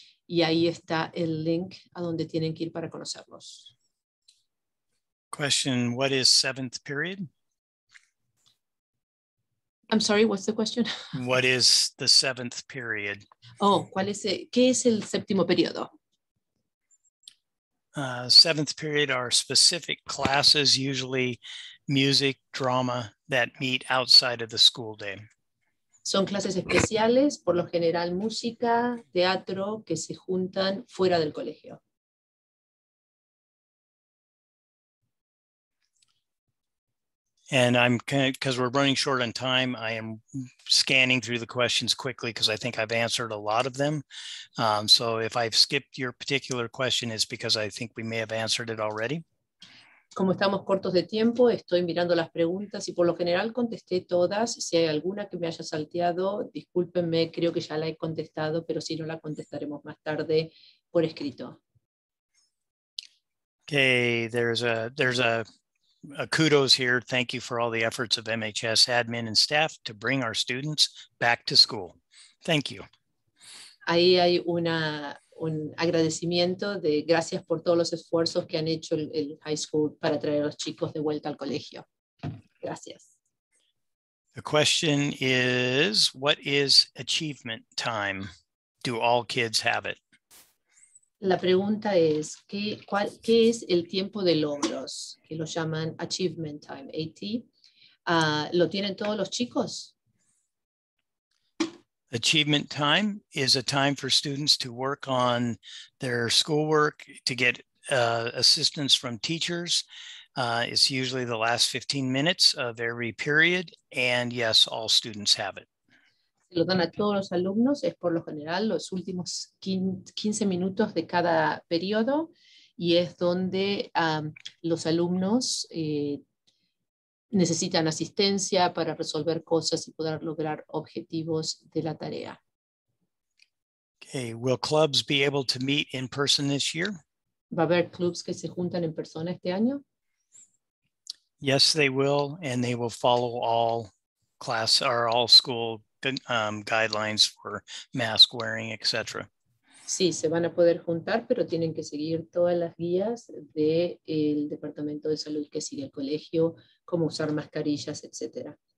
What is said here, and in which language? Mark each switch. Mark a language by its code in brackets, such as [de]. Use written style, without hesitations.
[es] Y ahí está el link a donde tienen que ir para conocerlos. [en] Question, what is seventh period? I'm sorry, what's the question? What is the seventh period? [es] Oh, ¿cuál es qué es el séptimo periodo? [en] Seventh period are specific classes, usually music, drama, that meet outside of the school day. [es] Son clases especiales, por lo general música, teatro, que se juntan fuera del colegio. [en] And I'm, because we're running short on time, I am scanning through the questions quickly because I think I've answered a lot of them. So if I've skipped your particular question, it's because I think we may have answered it already. [es] Como estamos cortos de tiempo, estoy mirando las preguntas y por lo general contesté todas. Si hay alguna que me haya salteado, discúlpenme, creo que ya la he contestado, pero si no la contestaremos más tarde por escrito. [en] Okay, there's a kudos here. Thank you for all the efforts of MHS admin and staff to bring our students back to school. Thank you. [es] Ahí hay un agradecimiento de gracias por todos los esfuerzos que han hecho el high school para traer a los chicos de vuelta al colegio. Gracias. [en] The question is, what is achievement time? Do all kids have it? [es] La pregunta es, ¿qué es el tiempo de logros? Que lo llaman achievement time, AT. ¿Lo tienen todos los chicos? [en] Achievement time is a time for students to work on their schoolwork, to get assistance from teachers. It's usually the last 15 minutes of every period. And yes, all students have it. [es] Se lo dan a todos los alumnos, es por lo general los últimos 15 minutos de cada periodo y es donde los alumnos necesitan asistencia para resolver cosas y poder lograr objetivos de la tarea. [en] Okay, will clubs be able to meet in person this year? [es] ¿Va a haber clubs que se juntan en persona este año? [en] Yes, they will, and they will follow all class or all school guidelines for mask wearing, etc. [es] Sí, se van a poder juntar, pero tienen que seguir todas las guías del Departamento de Salud que sigue el colegio, como usar mascarillas, etc.